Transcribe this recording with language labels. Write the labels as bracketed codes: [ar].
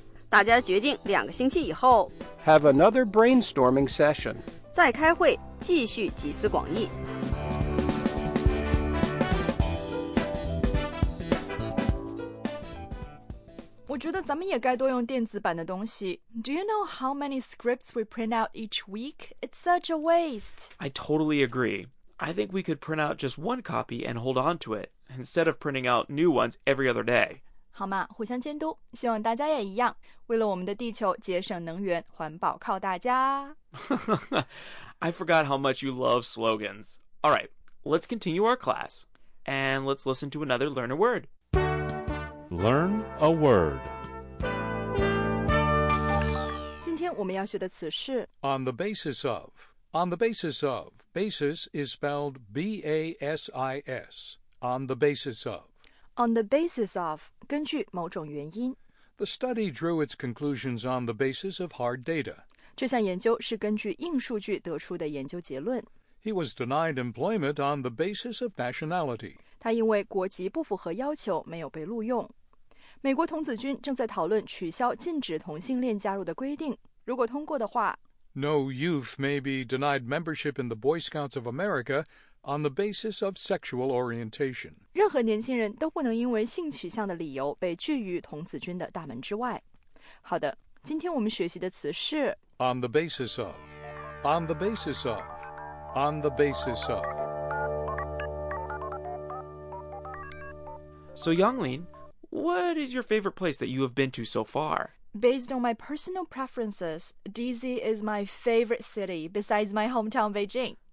[zh] 大家决定两个星期以后。 [en] Have another brainstorming session. [zh] 再开会，继续集思广益。我觉得咱们也该多用电子版的东西。 [en] Do you know how many scripts we print out each week? It's such a waste. I totally agree. I think we could print out just one copy and hold on to it, instead of printing out new ones every other day. [zh] 好吗？互相监督，希望大家也一样，为了我们的地球节省能源，环保靠大家。 [en] I forgot how much you love slogans. All right, let's continue our class, and let's listen to another Learn a Word. Learn a word. [zh] 今天我们要学的词是 [en] On the basis of. On the basis of. Basis is spelled B-A-S-I-S. On the basis of. On the basis of. [zh] 根据某种原因 [en] The study drew its conclusions on the basis of hard data. [zh] 这项研究是根据硬数据得出的研究结论 [en] He was denied employment on the basis of nationality. [zh] 他因为国籍不符合要求没有被录用美国童子军正在讨论取消禁止同性恋加入的规定。如果通过的话 [en] ，No youth may be denied membership in the Boy Scouts of America on the basis of sexual orientation. [zh] 任何年轻人都不能因为性取向的理由被拒于童子军的大门之外。好的，今天我们学习的词是 [en] on the basis of, on the basis of, on the basis of. So, Yanglin. What is your favorite place that you have been to so far? Based on my personal preferences, DC is my favorite city besides my hometown Beijing.